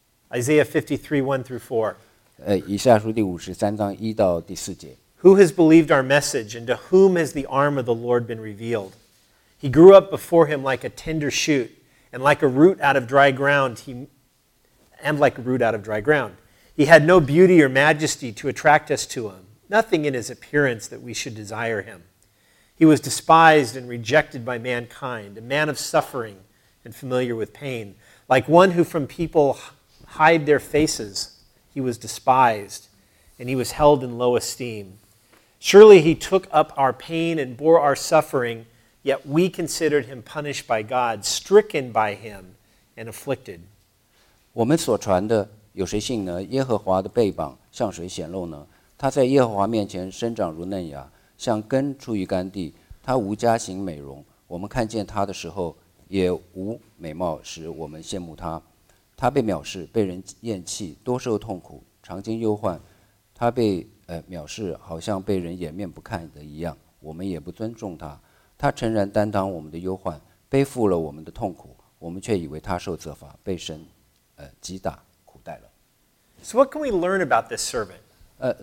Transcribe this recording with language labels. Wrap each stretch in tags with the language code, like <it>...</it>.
<en>Isaiah 53:1-4.</en> <zh>以赛亚书第五十三章一到第四节。</zh> <en>Who has believed our message, and to whom has the arm of the Lord been revealed? He grew up before him like a tender shoot, and like a root out of dry ground. He had no beauty or majesty to attract us to him, nothing in his appearance that we should desire him. He was despised and rejected by mankind, a man of suffering and familiar with pain. Like one who from people hide their faces, he was despised, and he was held in low esteem. Surely he took up our pain and bore our suffering, yet we considered him punished by God, stricken by him and afflicted.</en> <zh>我们所传的有谁信呢？耶和华的臂膀向谁显露呢？他在耶和华面前生长如嫩芽，像根出于干地。他无家型美容，我们看见他的时候也无美貌使我们羡慕他。他被藐视，被人厌弃，多受痛苦，常经忧患。他被藐视，好像被人掩面不看的一样，我们也不尊重他。他诚然担当我们的忧患，背负了我们的痛苦，我们却以为他受责罚，被神击打。</zh> <en>So what can we learn about this servant?</en>